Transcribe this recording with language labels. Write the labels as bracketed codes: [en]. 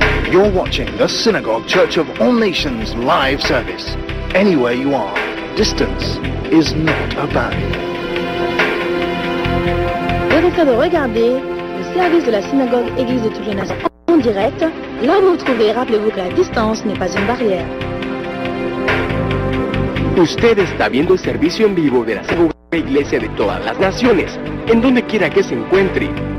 [en] You're watching the Synagogue Church of All Nations live service. Anywhere you are, distance is not a barrier. [fr] Vous êtes en train de regarder le service de la Synagogue Église de toutes les nations en direct. Là où vous trouvez, rappelez-vous que la distance n'est pas une barrière. [es] Usted está viendo el servicio en vivo de la Synagogue Iglesia de todas las naciones, en donde quiera que se encuentre.